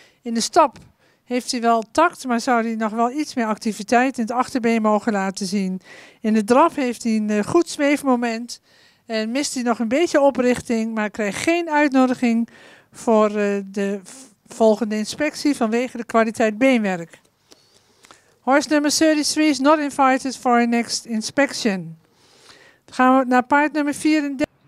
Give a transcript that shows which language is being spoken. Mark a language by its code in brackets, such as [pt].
[nl] In de stap heeft hij wel tact, maar zou hij nog wel iets meer activiteit in het achterbeen mogen laten zien. In de draf heeft hij een goed zweefmoment en mist hij nog een beetje oprichting, maar krijgt geen uitnodiging voor de volgende inspectie vanwege de kwaliteit beenwerk. [en] Horse [nl] nummer 33 [en] is not invited for a next inspection. [nl] Dan gaan we naar paard nummer 34.